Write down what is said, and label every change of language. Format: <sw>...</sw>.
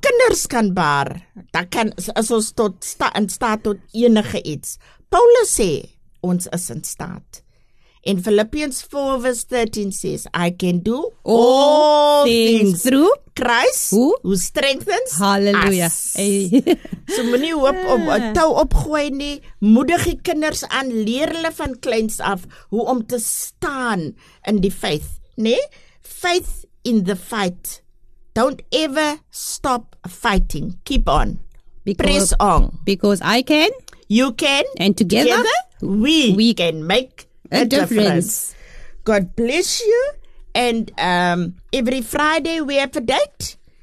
<af>As ons kinders kan baar, dan kan, is ons in staat tot enige iets. Paulus sê, ons is in staat. En</af> <en>Philippians 4 verse 13 says, I can do all things through Christ who strengthens Hallelujah. Us.</en> <af>So moet nie hoop om een touw opgooi nie. Moedig die kinders aan, leer hulle van kleins af hoe om te staan in die faith.</af> <en>Nee? Faith in the fight. Don't ever stop fighting. Keep on. Press on. Because I can. you can. And together we can make a difference. God bless you. And every Friday we have a date.</en>